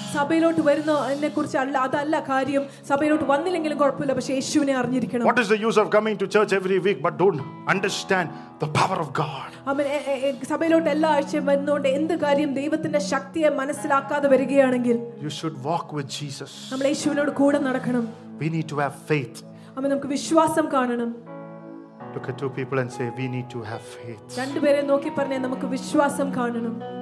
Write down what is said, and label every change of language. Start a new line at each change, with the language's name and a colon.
Malayalam: സഭയിലോട്ട് വരുന്ന എന്നെക്കുറിച്ച് അല്ല, അതല്ല കാര്യം. സഭയിലോട്ട് വന്നില്ലെങ്കിലും കുഴപ്പമില്ല, പക്ഷേ യേശുവിനെ അറിഞ്ഞിരിക്കണം.
English: What is the use of coming to church every week but don't understand the power of God?
Malayalam: സഭയിലോട്ട് എല്ലാ ആഴ്ചയും വന്നുകൊണ്ട് എന്ത് കാര്യം ദൈവത്തിന്റെ ശക്തിയെ മനസ്സിലാക്കാതെ വരികയാണെങ്കിൽ,
English: you should walk with Jesus.
Malayalam: നമ്മൾ യേശുവിനോട് കൂടെ നടക്കണം.
English: We need to have faith.
Malayalam: നമുക്ക് വിശ്വാസം കാണണം.
English: Look at two people and say, we need to have faith.
Malayalam: രണ്ട് പേരെ നോക്കി പറഞ്ഞേ, നമുക്ക് വിശ്വാസം കാണണം.